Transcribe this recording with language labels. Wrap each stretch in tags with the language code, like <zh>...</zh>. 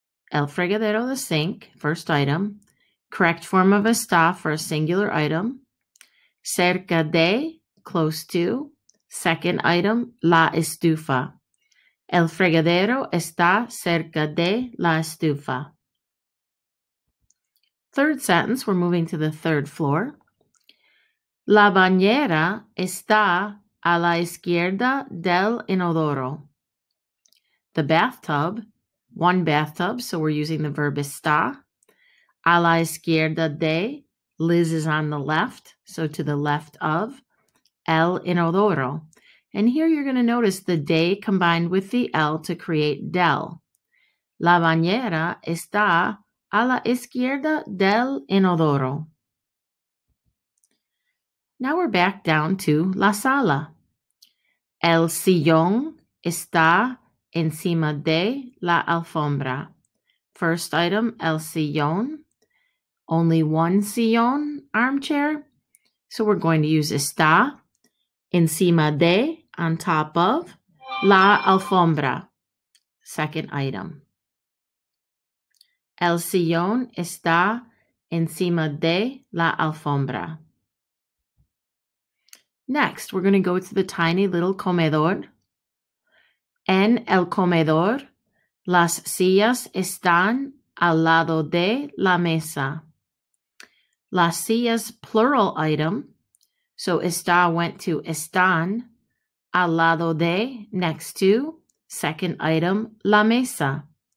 <en>El fregadero, the sink, first item. Correct form of está for a singular item. Cerca de, close to. Second item, la estufa.</en> <es>El fregadero está cerca de la estufa.</es> <en>Third sentence, we're moving to the third floor.</en> <es>La bañera está a la izquierda del inodoro.</es> <en>The bathtub, one bathtub, so we're using the verb está.</en> <es>A la izquierda de,</es> <en>Liz is on the left, so to the left of, el inodoro. And here you're going to notice the de combined with the el to create del.</en> <es>La bañera está a la izquierda del inodoro.</es> <en>Now we're back down to</en> <es>la sala. El sillón está encima de la alfombra.</es> <en>First item, el sillón. Only one sillón, armchair. So we're going to use está. Encima de, on top of, la alfombra. Second item.</en> <es>El sillón está encima de la alfombra.</es> <en>Next, we're going to go to the tiny little comedor.</en> <es>En el comedor, las sillas están al lado de la mesa.</es> <en>Las sillas, plural item, so está went to están, al lado de, next to, second item, la mesa.</en>